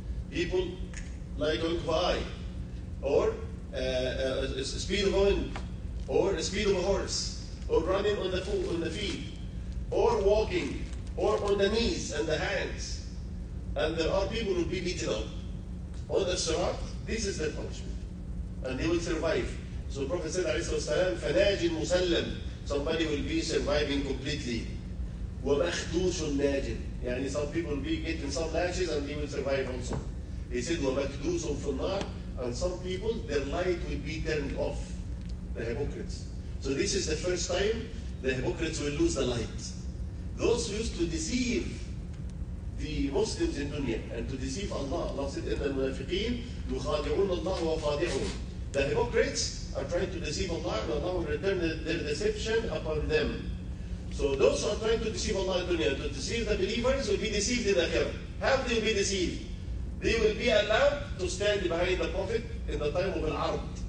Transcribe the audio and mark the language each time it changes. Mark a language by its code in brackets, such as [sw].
[en] People like going by, or a speed of wind, or a speed of a horse, or running on the feet, or walking, or on the knees and the hands. And there are people who will be beaten up. On the sirat, this is their punishment. And they will survive. So Prophet said, [ar] عليه الصلاة والسلام, فَنَاجٍ مُسَلَّمٍ. [en] Somebody will be surviving completely. [ar] وَمَخْدُوشٌ نَاجٍ. [en] يعني some people will be getting some lashes and they will survive also. He said, [ar] وَمَخْدُوشٌ فِي النَّارِ. [en] And some people, their light will be turned off. The hypocrites. So this is the first time the hypocrites will lose the light. Those who used to deceive the Muslims in dunya and to deceive Allah. Allah said, [ar] إِنَّ الْمُنَافِقِينَ يُخَادِعُونَ اللَّهُ وَخَادِعُونَ. [en] The hypocrites are trying to deceive Allah, and Allah will return their deception upon them. So those who are trying to deceive Allah in dunya, to deceive the believers, will be deceived in akhirah. How they will be deceived? They will be allowed to stand behind the Prophet in the time of al-'Ard.